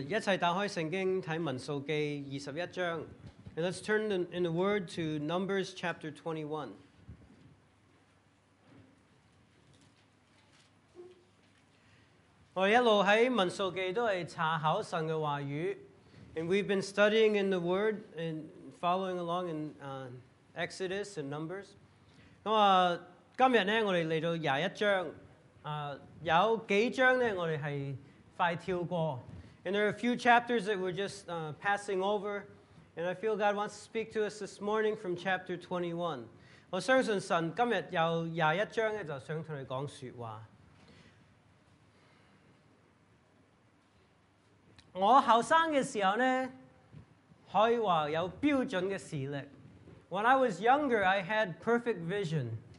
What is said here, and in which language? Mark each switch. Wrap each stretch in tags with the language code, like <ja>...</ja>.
<yue>好，一齐打开圣经睇民数记二十一章。</yue> <en>And、let's turn in the word to Numbers chapter 21。</en> <yue>我一路喺民数记都系查考神嘅话语。</yue> <en>And we've been studying in the Word and following along in Exodus and Numbers.</en> <yue>咁啊，今日咧，我哋嚟到廿一章，有幾章咧，我哋係快跳過。</yue> <en>And there are a few chapters that we're just passing over. And I feel God wants to speak to us this morning from chapter 21.</en> <yue>我相信神今日有廿一章咧，就想同你講説話。我後生嘅時候咧，可以話有標準嘅視力。</yue> <en>When I was younger, I had perfect vision.</en>